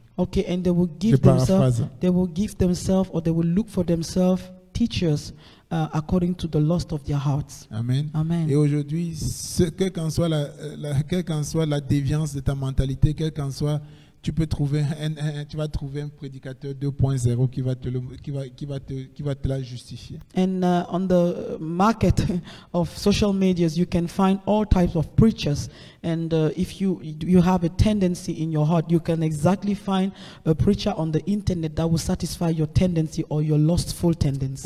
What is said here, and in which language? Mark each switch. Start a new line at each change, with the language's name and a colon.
English: Okay, and they will give themselves, or they will look for themselves teachers according to the lust of their hearts. Amen. Amen.
French: Et aujourd'hui, quelle qu'en soit la déviance de ta mentalité, quelle qu'en soit, tu vas trouver un prédicateur 2.0 qui va te la justifier.
English: And on the market of social medias, you can find all types of preachers. And if you have a tendency in your heart, you can exactly find a preacher on the internet that will satisfy your tendency or your lustful tendency.